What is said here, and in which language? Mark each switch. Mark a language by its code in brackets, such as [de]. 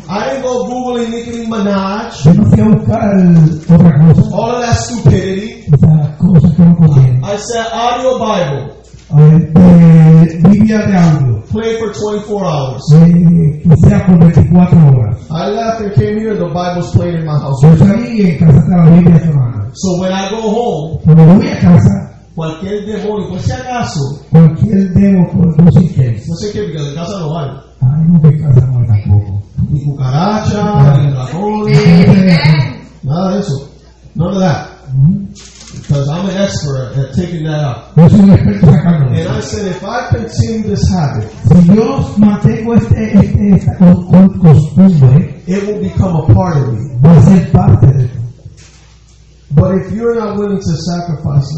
[en] I didn't go googling Nicki Minaj. [es] Yo no fui a buscar otra cosa. [en] All that stupidity. [es] Esa cosa que no conviene. [en] I said audio Bible. [es] Biblia de audio. [en] Play for 24 hours. [es] Que sea por 24 horas. [en] I left and came here. The Bible's playing in my house. [es] Yo salí en casa de la Biblia sonando. [en] So when I go home. [es] Cuando voy a casa. Cualquier demonio, por si acaso. Cualquier demonio, por Lucifer. No sé qué, porque en casa no vale. Ay, no me casa mal tampoco. Ni cucaracha, ni dragón, nada de eso. [en] None of that. Because I'm an expert at taking that out. [es] Yo soy un experto sacando. [en] And I said, if I continue this habit, [es] si yo mantengo esta costumbre, [en] it will become a part of me. [es] Va a ser parte de mí. [en] But if you're not willing to sacrifice